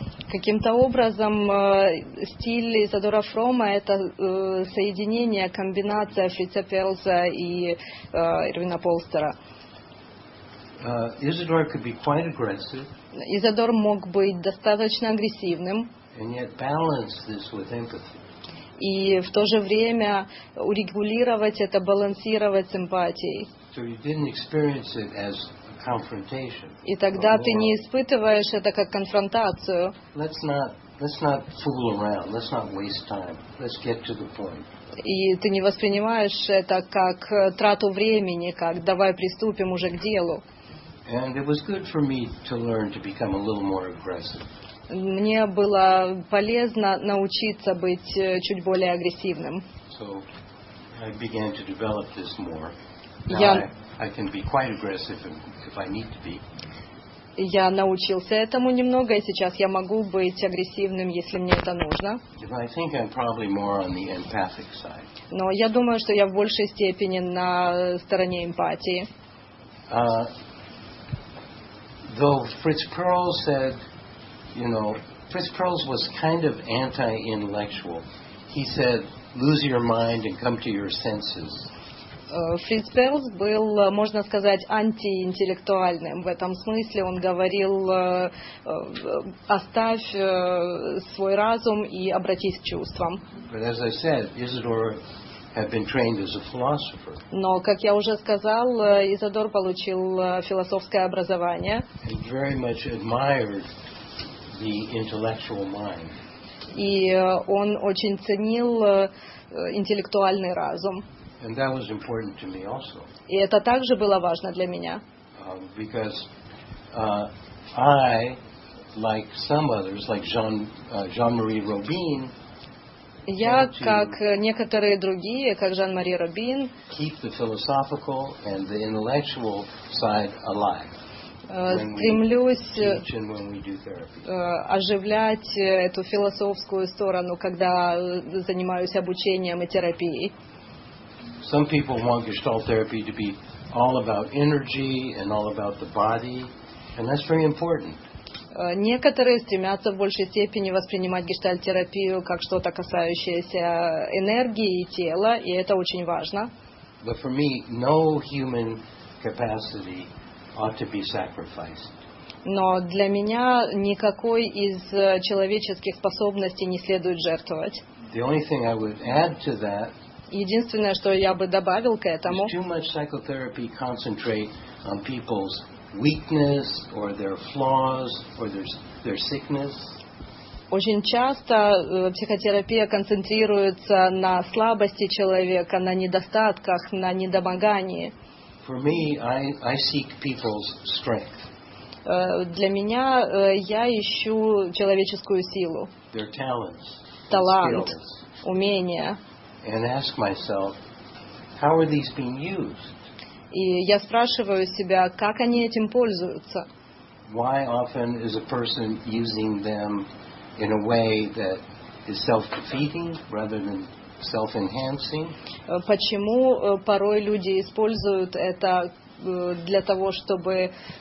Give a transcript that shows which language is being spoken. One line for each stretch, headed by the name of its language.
Russian: Каким-то образом стиль Изадора Фрома – это соединение, комбинация Фрица Перлза и Ирвина Полстера.
English: Isidore could be quite aggressive.
Russian: Изадор мог быть достаточно агрессивным.
English: And yet balance this with empathy.
Russian: И в то же время урегулировать это, балансировать с эмпатией.
English: So you didn't experience it as a confrontation.
Russian: И тогда ты не испытываешь это как конфронтацию.
English: Let's not fool around. Let's not waste time. Let's get to the point.
Russian: И ты не воспринимаешь это как трату времени, как давай приступим уже к делу.
English: And it was good for me to learn to become a little more aggressive.
Russian: Мне было полезно научиться быть чуть более агрессивным.
English: So I began to develop this more. I can be quite aggressive if I need to be.
Russian: Я научился этому немного, и сейчас я могу быть агрессивным, если мне это нужно.
English: I think I'm probably more on the empathic side.
Russian: Но я думаю, что я в большей степени на стороне эмпатии.
English: Though Fritz Perls said, you know, Fritz Perls was kind of anti-intellectual. He said, lose your mind and come to your senses.
Russian: Фриц Перлс был, можно сказать, антиинтеллектуальным в этом смысле. Он говорил, оставь свой разум и обратись к чувствам.
English: But as I said, Isidore had been trained as a philosopher.
Russian: Но, как я уже сказал, Изадор получил философское образование.
English: He very much admired the intellectual mind.
Russian: И он очень ценил интеллектуальный разум.
English: And that was important to me also.
Russian: И это также было важно для меня.
English: Because I, like some others, like Jean-Marie Robin,
Russian: я, как некоторые другие, как Жан-Мари Робин,
English: keep the philosophical and the intellectual side alive.
Russian: Стремлюсь оживлять эту философскую сторону, когда занимаюсь обучением и терапией.
English: Some people want gestalt therapy to be all about energy and all about the body, and that's very important.
Russian: Некоторые стремятся в большей степени воспринимать гештальт-терапию как что-то касающееся энергии и тела, и это очень важно.
English: But for me, no human capacity ought to be sacrificed.
Russian: Но для меня никакой из человеческих способностей не следует жертвовать.
English: The only thing I would add to that.
Russian: Единственное, что я бы добавил к этому,
English: too much psychotherapy concentrate on people's weakness or their flaws or their sickness.
Russian: Очень часто психотерапия концентрируется на слабости человека, на недостатках, на недомогании.
English: For me, I seek people's strength.
Russian: Для меня я ищу человеческую силу.
English: Their talents,
Russian: талант, умения.
English: And ask myself, how are these being used?
Russian: И я спрашиваю себя, как они этим пользуются?
English: Why often is a person using them in a way that is self-defeating rather than self-enhancing?
Russian: Почему порой люди используют это для того, чтобы